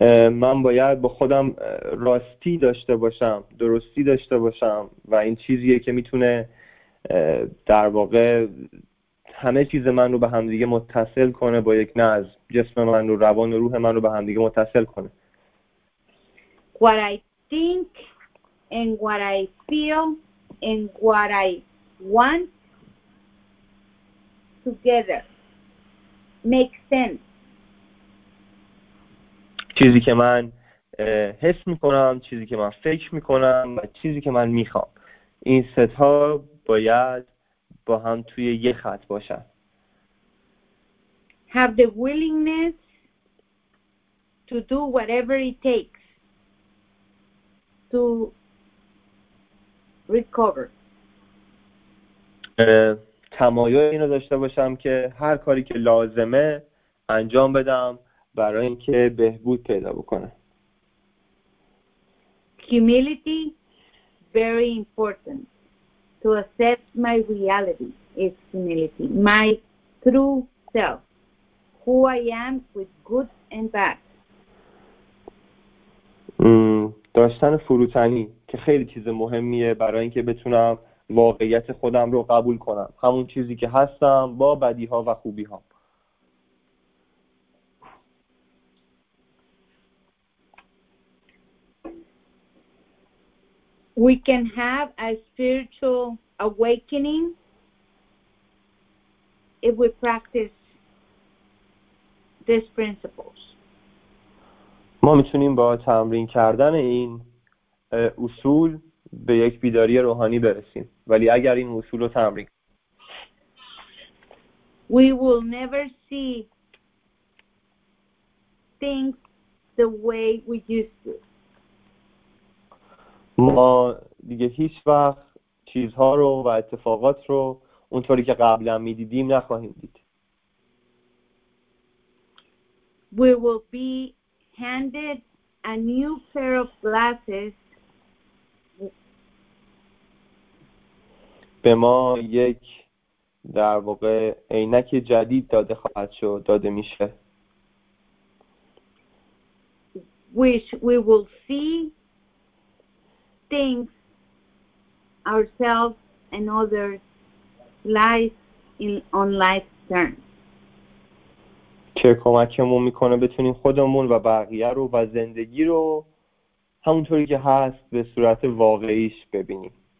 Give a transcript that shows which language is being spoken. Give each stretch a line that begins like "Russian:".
Persian: من باید با خودم راستی داشته باشم، درستی داشته باشم و این چیزیه که میتونه در واقع همه چیز من رو به همدیگه متصل کنه با یک نظم، جسم من رو، روان و روح من رو به همدیگه متصل کنه.
English: What I think and what I feel and what I want together make sense.
Persian: چیزی که من حس میکنم، چیزی که من فکر میکنم و چیزی که من میخوام، این ست ها باید با هم توی یه خط باشن.
English: Have the willingness to do whatever it takes to recover.
Persian: تمایل اینو داشته باشم که هر کاری که لازمه انجام بدم برای اینکه بهبود پیدا بکنه.
English: Humility very important to accept my reality. Is humility my true self, who I am with good and bad.
Persian: داشتن فروتنی که خیلی چیز مهمیه برای اینکه بتونم واقعیت خودم رو قبول کنم، همون چیزی که هستم با بدی‌ها و خوبی‌ها.
English: We can have a spiritual awakening if we practice these principles.
Persian: ما میتونیم با تمرین کردن این اصول به یک بیداری روحانی برسیم، ولی اگر این اصول رو تمرین
English: we will never see things the way we used to.
Persian: ما دیگه هیچ وقت چیزها رو و اتفاقات رو اونطوری که قبلا می دیدیم نخواهیم دید.
English: We will be handed a new pair of glasses.
Persian: به ما یک در واقع عینک جدید داده خواهد شد، داده میشه.
English: Which we will see things ourselves and others life on life terms.
Persian: چه کمکمون میکنه بتونیم خودمون و بقیه رو و زندگی رو همونطوری که هست به صورت واقعیش ببینیم.